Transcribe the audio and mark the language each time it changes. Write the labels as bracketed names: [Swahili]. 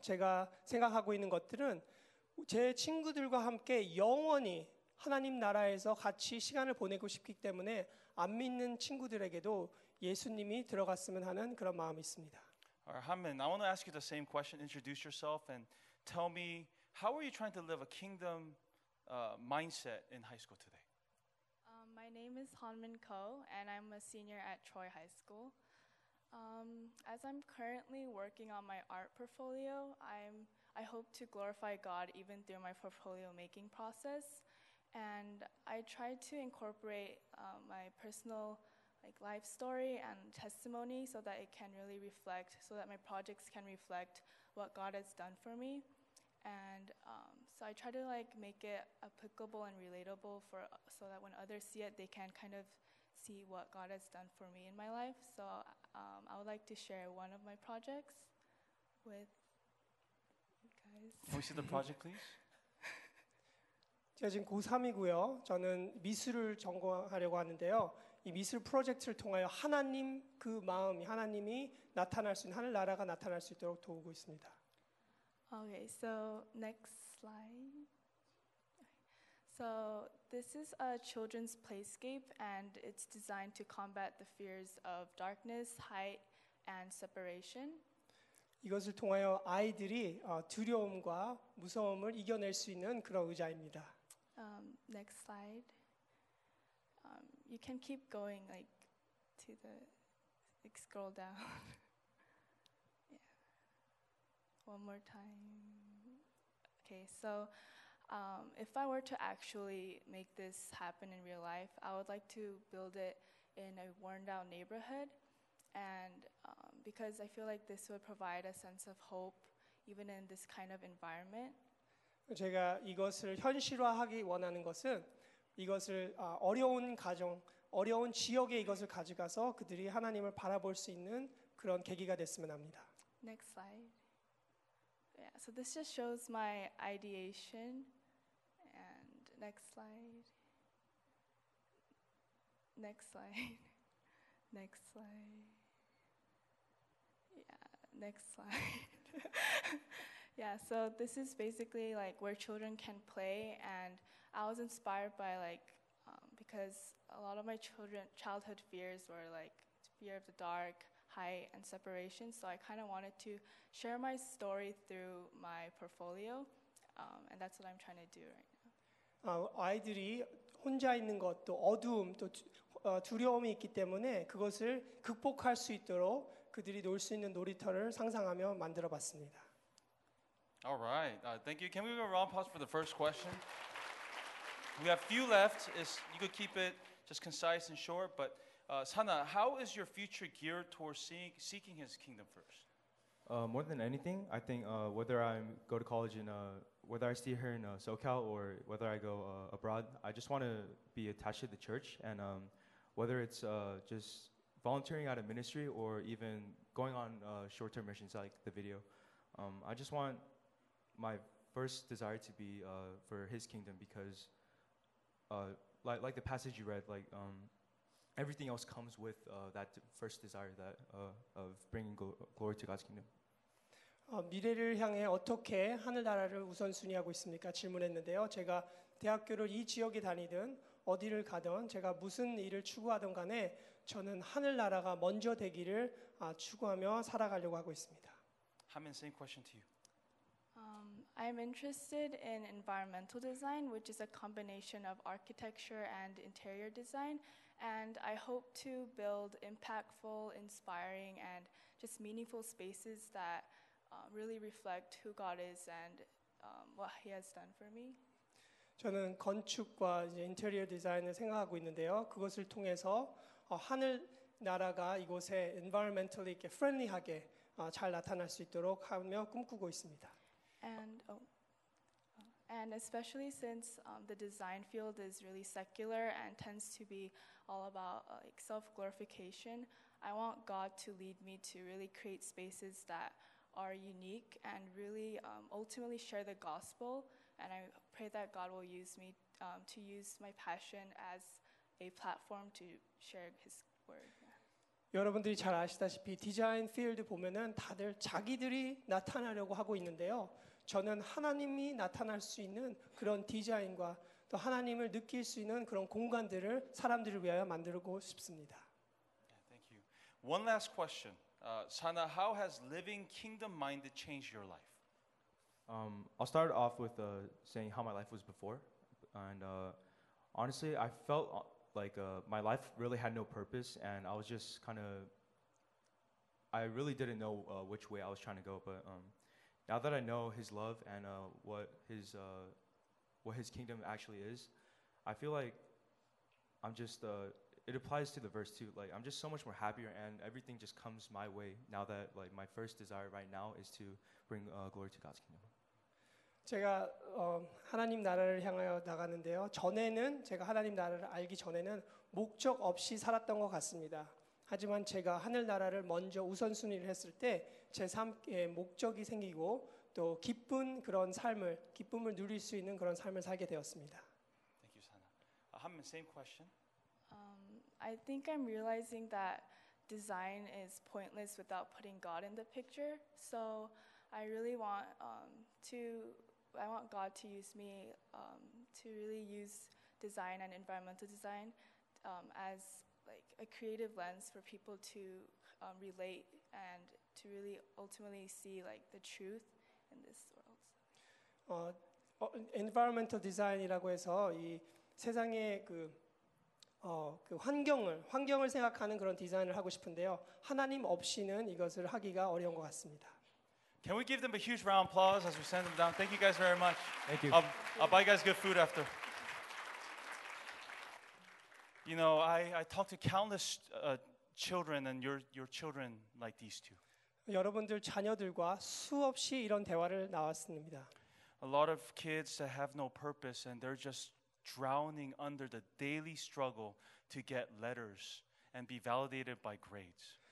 [Korean] 제가 생각하고 있는 것들은 제 친구들과 함께 영원히 하나님 나라에서 같이 시간을 보내고 싶기 때문에 안 믿는 친구들에게도 예수님이 들어갔으면 하는 그런 마음이 있습니다. [English] Alright, Hanmin, I want to ask you the same question. Introduce yourself and tell me, how are you trying to live a kingdom mindset in high school today? My name is Hanmin Ko, and I'm a senior at Troy High School. As I'm currently working on my art portfolio, I hope to glorify God even through my portfolio making process. And I try to incorporate my personal like life story and testimony so that it can really reflect, so that my projects can reflect what God has done for me. And so I try to like make it applicable and relatable for so that when others see it, they can kind of see what God has done for me in my life. So I would like to share one of my projects with you guys. Can we see the project, please? [Korean] 제가 지금 고3이고요. 저는 미술을 전공하려고 하는데요. 이 미술 프로젝트를 통하여 하나님 그 마음이 하나님이 나타날 수 있는 하늘 나라가 나타날 수 있도록 도우고 있습니다. [English] Okay, so next slide. So this is a children's playscape, and it's designed to combat the fears of darkness, height, and separation. [Korean] 이것을 통하여 아이들이 두려움과 무서움을 이겨낼 수 있는 그런 의자입니다. [English] Next slide. You can keep going, like to the like, scroll down. One more time. Okay, so if I were to actually make this happen in real life, I would like to build it in a worn-down neighborhood, and because I feel like this would provide a sense of hope even in this kind of environment. [Korean] 제가 이것을 현실화하기 원하는 것은 이것을 어려운 가정, 어려운 지역에 이것을 가져가서 그들이 하나님을 바라볼 수 있는 그런 계기가 됐으면 합니다. [English] Next slide. Yeah, so this just shows my ideation. And next slide. Next slide. Next slide. Yeah, next slide. Yeah, so this is basically like where children can play, and I was inspired by like because a lot of my childhood fears were like fear of the dark, height, and separation. So I kind of wanted to share my story through my portfolio, and that's what I'm trying to do right now. [Korean] 아이들이 혼자 있는 것, 또 어두움, 또 두려움이 있기 때문에 그것을 극복할 수 있도록 그들이 놀 수 있는 놀이터를 상상하며 만들어봤습니다. [English] All right. Thank you. Can we give a round of applause for the first question? We have few left. You could keep it just concise and short, but Sana, how is your future geared towards seeking his kingdom first? More than anything, I think whether I go to college in whether I stay here in SoCal or whether I go abroad, I just want to be attached to the church, and whether it's just volunteering at a ministry or even going on short-term missions like the video. I just want my first desire to be for His kingdom, because like the passage you read, like everything else comes with that first desire that of bringing glory to God's kingdom. [Korean] 미래를 향해 어떻게 하늘나라를 우선순위하고 있습니까? 질문했는데요. 제가 대학교를 이 지역에 다니든 어디를 가든 제가 무슨 일을 추구하든 간에 저는 하늘나라가 먼저 되기를 추구하며 살아가려고 하고 있습니다. [English] Hamin, same question to you. I'm interested in environmental design, which is a combination of architecture and interior design. And I hope to build impactful, inspiring, and just meaningful spaces that really reflect who God is and what He has done for me. [Korean] 저는 건축과 이제 인테리어 디자인을 생각하고 있는데요. 그것을 통해서 하늘 나라가 이곳에 [English] environmentally [Korean] 이렇게 [English] friendly [Korean] 하게 잘 나타날 수 있도록 하며 꿈꾸고 있습니다. [English] And especially since the design field is really secular and tends to be all about like self-glorification, I want God to lead me to really create spaces that are unique and really ultimately share the gospel. And I pray that God will use me to use my passion as a platform to share His word. [Korean] 여러분들이 잘 아시다시피 디자인 필드 보면은 다들 자기들이 나타나려고 하고 있는데요. 저는 하나님이 나타날 수 있는 그런 디자인과 또 하나님을 느낄 수 있는 그런 공간들을 사람들을 위하여 만들고 싶습니다. [English] Yeah, thank you. One last question. Sana, how has living kingdom-minded changed your life? I'll start off with saying how my life was before. And honestly, I felt like my life really had no purpose, and I was just kind of, I really didn't know which way I was trying to go. But now that I know His love and what his kingdom actually is, I feel like I'm just, it applies to the verse too. Like, I'm just so much more happier, and everything just comes my way now that, like, my first desire right now is to bring glory to God's kingdom. [Korean] 제가 하나님 나라를 향하여 나갔는데요. 전에는 제가 하나님 나라를 알기 전에는 목적 없이 살았던 것 같습니다. 하지만 제가 하늘 나라를 먼저 우선순위를 했을 때 제 삶에 목적이 생기고 또 기쁜 그런 삶을 기쁨을 누릴 수 있는 그런 삶을 살게 되었습니다. [English] Thank you, Sana. Hamin, same question. I think I'm realizing that design is pointless without putting God in the picture. So I really want I want God to use me to really use design and environmental design as like a creative lens for people to relate and to really ultimately see like the truth in this world. [Korean] Environmental design이라고 해서 이 세상의 그 환경을 생각하는 그런 디자인을 하고 싶은데요. 하나님 없이는 이것을 하기가 어려운 것 같습니다. [English] Can we give them a huge round of applause as we send them down? Thank you guys very much. Thank you. I'll buy you guys good food after. You know, I talked to countless children, and your children like these two. [Korean] 여러분들 자녀들과 수없이 이런 대화를 나왔습니다. [English] A lot of kids that have no purpose, and they're just drowning under the daily struggle to get letters and be validated by grades.